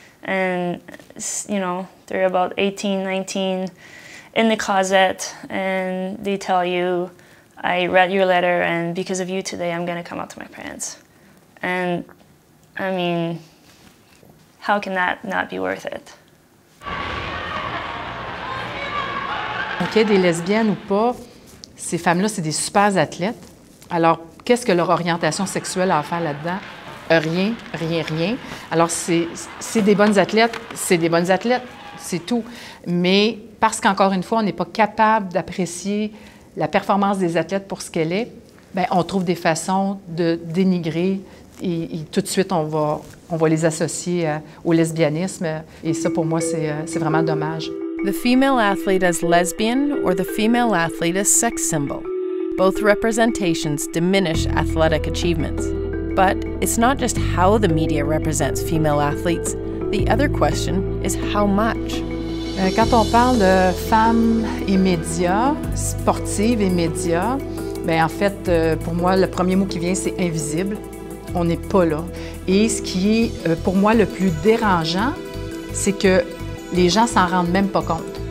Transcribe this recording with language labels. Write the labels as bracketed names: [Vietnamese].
[English] And, you know, they're about 18, 19 in the closet and they tell you, I read your letter and because of you today, I'm gonna come out to my parents. And I mean, how can that not be worth it? [French] Okay, des lesbiennes ou pas, ces femmes-là, c'est des super athlètes. Alors, qu'est-ce que leur orientation sexuelle a à faire là-dedans? Rien, rien, rien. Alors, c'est des bonnes athlètes, c'est des bonnes athlètes, c'est tout. Mais parce qu'encore une fois, on n'est pas capable d'apprécier la performance des athlètes pour ce qu'elle est, bien, on trouve des façons de dénigrer et tout de suite, on va les associer au lesbianisme. Et ça, pour moi, c'est vraiment dommage. [English] The female athlete as lesbian or the female athlete as sex symbol. Both representations diminish athletic achievements. But it's not just how the media represents female athletes. The other question is how much. [French] Quand on parle de femmes et médias, sportives et médias, ben en fait, pour moi, le premier mot qui vient, c'est invisible. On n'est pas là. Et ce qui est, pour moi, le plus dérangeant, c'est que les gens s'en rendent même pas compte.